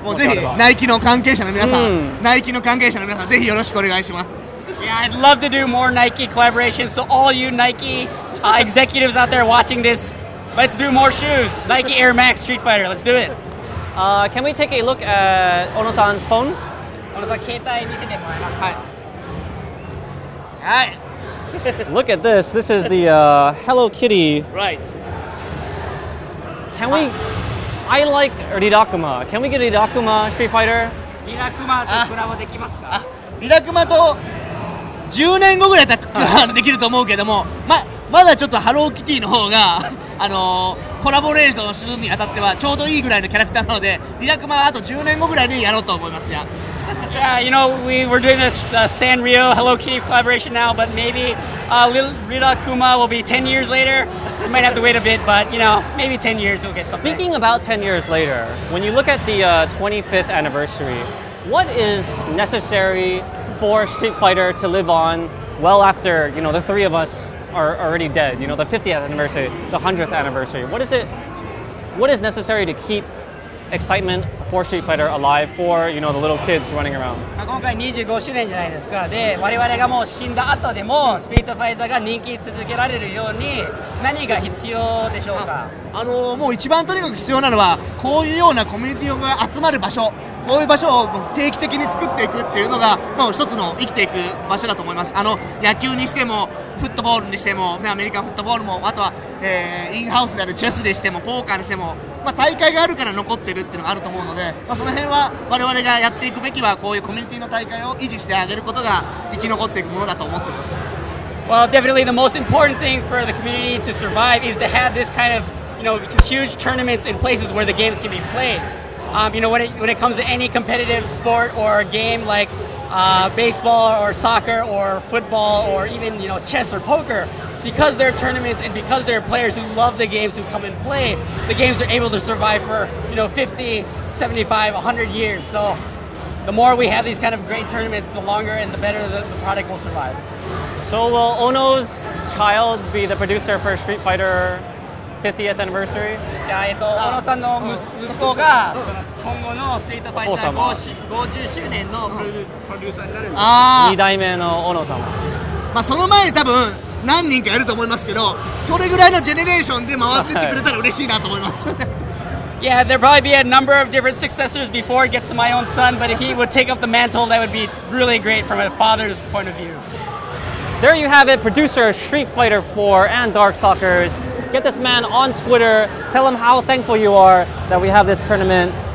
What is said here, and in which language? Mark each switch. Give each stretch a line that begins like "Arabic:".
Japanese: もうぜひ、Nike の関係者の皆さん、Nike の関係者の皆さん、ぜひよろしくお願いします。
English: Yeah, I'd love to do more Nike collaborations. So all you Nike executives out there watching this, let's do more shoes. Nike Air Max Street Fighter. Let's do it. Can we take a look at Ono-san's phone?
Japanese: Ono-san, 携帯見せてもらえますか?
English: Hi. Look at this. This is the Hello Kitty. Right. Can we... I like Ridakuma. Can we get Ridakuma Street Fighter?
Japanese: Ridakuma とコラボできますか? Ridakuma と... 10年後ぐらいだったらできると思うけども、まだちょっとハローキティの方がコラボレーションするにあたってはちょうどいいぐらいのキャラクターなので、リラクマはあと10年後ぐらいにやろうと思いますじゃん。
English: Yeah, you know, we were doing this Sanrio Hello Kitty collaboration now, but maybe Rirakuma will be 10 years later. We might have to wait a bit, but you know, maybe 10 years we'll get something. Speaking about 10 years later, when you look at the 25th anniversary, what is necessary? For Street Fighter to live on well after, you know, the three of us are already dead, you know, the 50th anniversary, the 100th anniversary. What is necessary to keep excitement for Street Fighter alive for, you know, the little kids running around.
Japanese: 今回25周年じゃないですか。で、我々がもう死んだ後でも Street Fighter が人気続けられるように何が必要でしょうか。もう一番とにかく必要なのはこういうようなコミュニティが集まる場所、こういう場所を定期的に作っていくっていうのが、まあ、一つの生きていく場所だと思います。野球にしてもフットボールにしても、ね、アメリカンフットボールも、あとは、インハウスであるチェスにしてもポーカーにしても、まあ、大会があるから残ってるっていうのがあると思うので、まあ、その辺は我々がやっていくべきはこういうコミュニティの大会を維持してあげることが生き残っていくものだと思ってます。
English: Well, definitely the most important thing for the community to survive is to have this kind of, you know, huge tournaments in places where the games can be played. You know, when it comes to any competitive sport or game likeBaseball or soccer or football or even, you know, chess or poker, because there are tournaments and because there are players who love the games who come and play, the games are able to survive for, you know, 50, 75, 100 years. So the more we have these kind of great tournaments, the longer and the better the product will survive. So will Ono's child be the producer for Street Fighter 50th anniversary?
Japanese: じゃあ、Ono-san の息子が今後のストリートファイター50周年のプロデューサーになる。あ、2代目のオノ様、まあ、その前に多分何人かやると思いますけど、それぐらいのジェネレーションで回ってってくれたら嬉しいなと思います。
English: Yeah, there'd probably be a number of different successors before it gets to my own son, but if he would take up the mantle, that would be really great from a father's point of view. There you have it, producer Street Fighter 4 and Darkstalkers. Get this man on Twitter, tell him how thankful you are that we have this tournament.